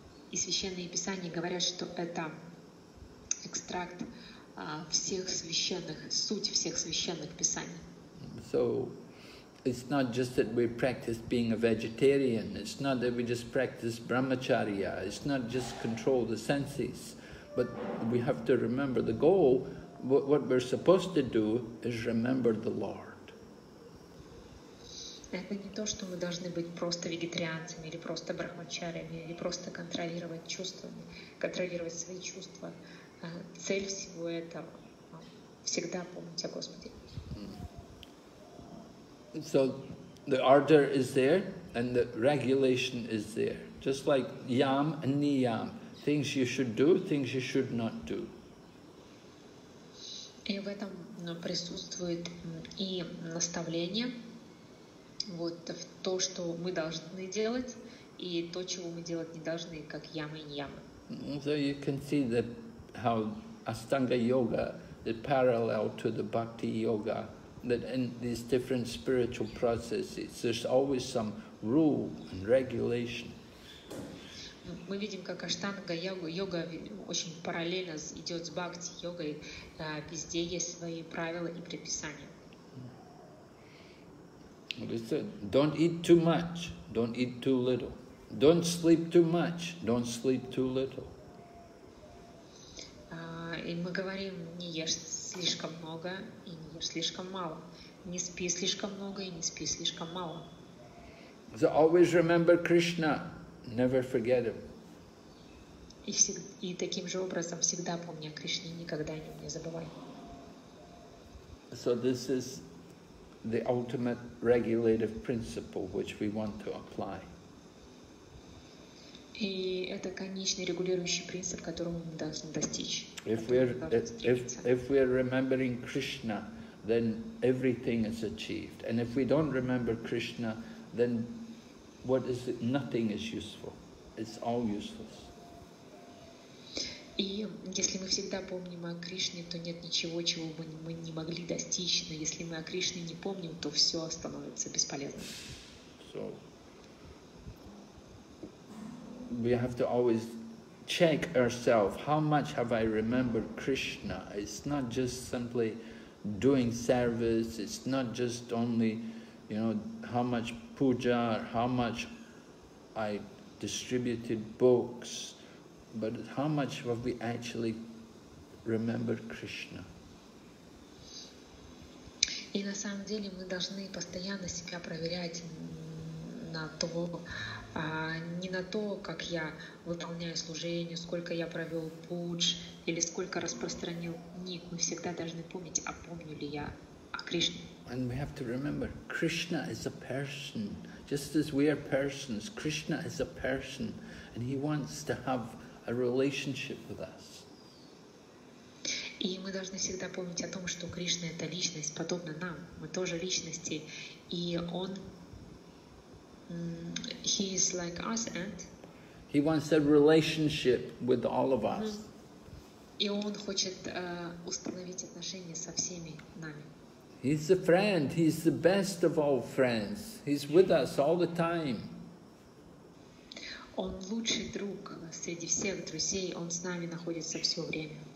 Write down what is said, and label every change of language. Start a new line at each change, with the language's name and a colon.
Russian: И священные писания говорят, что это экстракт всех священных, суть всех священных писаний.
English: So, it's not just that we practice being a vegetarian, it's not that we just practice brahmacharya, it's not just control the senses, but we have to remember the goal, what we're supposed to do is remember the Lord.
Russian: Это не то, что мы должны быть просто вегетарианцами, или просто брахмачарями, или просто контролировать чувства, контролировать свои чувства. Цель всего этого — всегда помнить о Господе.
English: So the order is there and the regulation is there, just like yam and niyam, things you should do, things you should not do.
Russian: И в этом присутствует и наставление, вот в то, что мы должны делать, и то, чего мы делать не должны, как ямы и ниямы.
English: So you can see that how Astanga Yoga is parallel to the Bhakti Yoga. That in these different spiritual processes, there's always some rule and regulation.
Russian: Мы видим, как Аштанга йога очень параллельно идет с Бхакти йогой. Везде есть свои правила и предписания.
English: Well, it said, don't eat too much, don't eat too little. Don't sleep too much, don't sleep too little.
Russian: И мы говорим, не ешь слишком много и не ешь слишком мало. Не спи слишком много и не спи слишком мало.
English: So always remember Krishna, never forget him.
Russian: И таким же образом всегда помни о Кришне, никогда о нем не забывай.
English: So this is the ultimate regulative principle which we want to apply.
Russian: И это конечный регулирующий принцип, которого мы должны достичь.
English: If we are remembering Krishna, then everything is achieved. And if we don't remember Krishna, then what is it? Nothing is useful. It's all useless.
Russian: И если мы всегда помним о Кришне, то нет ничего, чего бы мы не могли достичь. Но если мы о Кришне не помним, то все становится бесполезным.
English: So, we have to always check ourselves, how much have I remembered Krishna? It's not just simply doing service, it's not just only, you know, how much puja or how much I distributed books, but how much have we actually remembered Krishna?
Russian: И на самом деле мы должны постоянно себя проверять на то, не на то, как я выполняю служение, сколько я провел пудж или сколько распространил книг. Мы всегда должны помнить, а помню ли я о Кришне.
English: And we have to remember, Krishna is a person. Just as we are persons, Krishna is a person. And he wants to have a relationship with us.
Russian: И мы должны всегда помнить о том, что Кришна — это личность, подобно нам. Мы тоже личности. И он...
English: he is like us, and he wants a relationship with all of us.
Russian: И он хочет установить отношения со всеми нами.
English: He's a friend. He's the best of all friends. He's with us all the time.
Russian: Он лучший друг среди всех друзей. Он с нами находится все время.